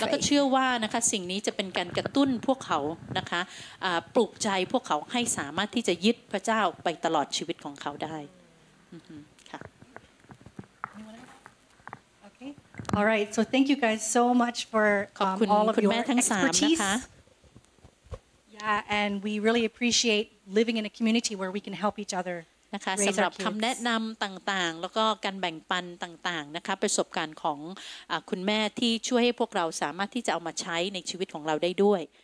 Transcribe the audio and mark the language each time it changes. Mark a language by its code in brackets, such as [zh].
[th] แล้วก็เชื่อว่านะคะสิ่งนี้จะเป็นการกระตุ้นพวกเขานะคะปลุกใจพวกเขาให้สามารถที่จะยึดพระเจ้าไปตลอดชีวิตของเขาได้ค่ะ [en] Okay All right so thank you guys so much for all of your expertise and we really appreciate living in a community where we can help each other [th] นะคะสําหรับคําแนะนําต่างๆแล้วก็การแบ่งปันต่างๆนะคะประสบการณ์ของคุณแม่ที่ช่วยให้พวกเราสามารถที่จะเอามาใช้ในชีวิตของเราได้ด้วย